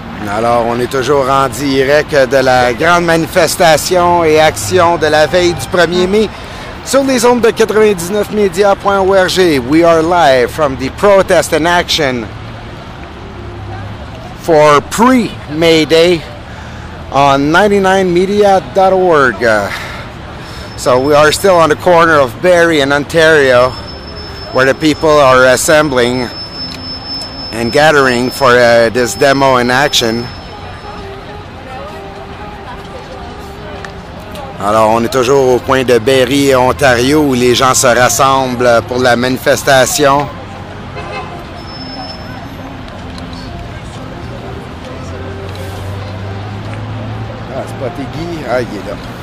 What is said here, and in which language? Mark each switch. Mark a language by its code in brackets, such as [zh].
[fr] Alors, on est toujours en direct de la grande manifestation et action de la veille du 1er mai sur les ondes de 99media.org. [en] We are live from the protest and action for pre-May Day on 99media.org. So we are still on the corner of Barrie and Ontario where the people are assembling and gathering for this demo in action. [fr] Alors, on est toujours au coin de Barrie, Ontario, où les gens se rassemblent pour la manifestation. Ah, c'est pas Tiggy? Ah, il est là.